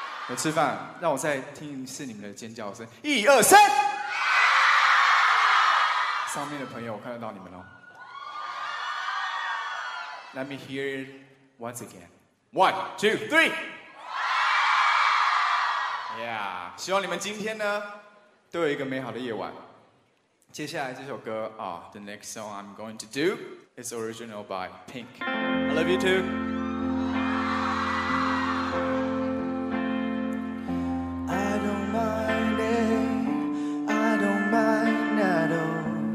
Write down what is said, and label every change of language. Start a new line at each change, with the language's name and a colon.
Chinese: 有吃饭，让我再听一次你们的尖叫声。一二三。上面的朋友，我看得到你们哦。
English: Let me hear it once again. One, two, three.
Chinese: Yeah, 希望你们今天呢都有一个美好的夜晚。接下来这首歌啊、
English: oh, The next song I'm going to do is original by Pink. I love you too. I don't mind it, I don't mind at all.